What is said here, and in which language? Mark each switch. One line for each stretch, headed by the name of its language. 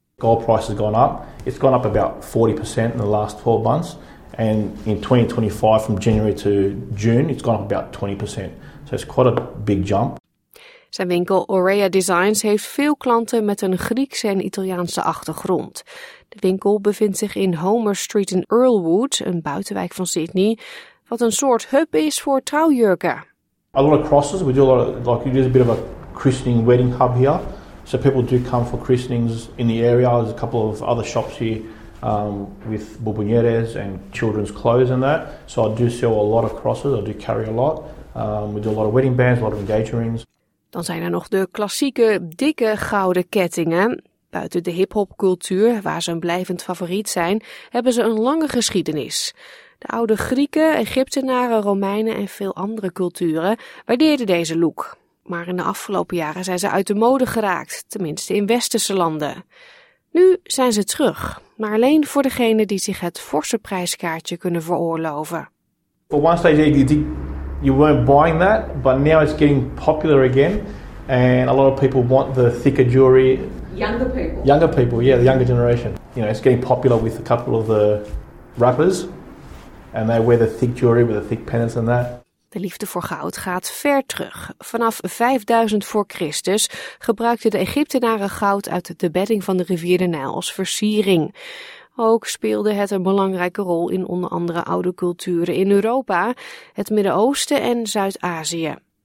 English: Gold price has gone up. It's gone up about 40% in the last 12 months. And in 2025, from January to June, it's gone up about 20%. So it's quite a big jump.
Dutch: Zijn winkel Aurea Designs heeft veel klanten met een Griekse en Italiaanse achtergrond. De winkel bevindt zich in Homer Street in Earlwood, een buitenwijk van Sydney, wat een soort hub is voor trouwjurken.
English: A lot of crosses. We do a lot of, like, it is a bit of a christening wedding hub here. So people do come for christenings in the area. There's a couple of other shops here with bouboneres and children's clothes and that. So I do sell a lot of crosses. I do carry a lot. We do a lot of wedding bands, a lot of engagement rings.
Dutch: Dan zijn er nog de klassieke dikke gouden kettingen. Buiten de hip-hop cultuur, waar ze een blijvend favoriet zijn, hebben ze een lange geschiedenis. De oude Grieken, Egyptenaren, Romeinen en veel andere culturen waardeerden deze look. Maar in de afgelopen jaren zijn ze uit de mode geraakt, tenminste in westerse landen. Nu zijn ze terug, maar alleen voor degenen die zich het forse prijskaartje kunnen veroorloven.
English: For one stage, you weren't buying that, but now it's getting popular again. And a lot of people want the thicker jewelry. Younger people. Younger people, yeah, the younger generation. You know, it's getting popular with a couple of the rappers. And they wear the thick jewelry with the thick pendants and that.
Dutch: De liefde voor goud gaat ver terug. Vanaf 5000 voor Christus gebruikten de Egyptenaren goud uit de bedding van de rivier de Nijl als versiering. Ook speelde het een belangrijke rol in onder andere oude culturen in Europa, het Midden-Oosten en Zuid-Azië.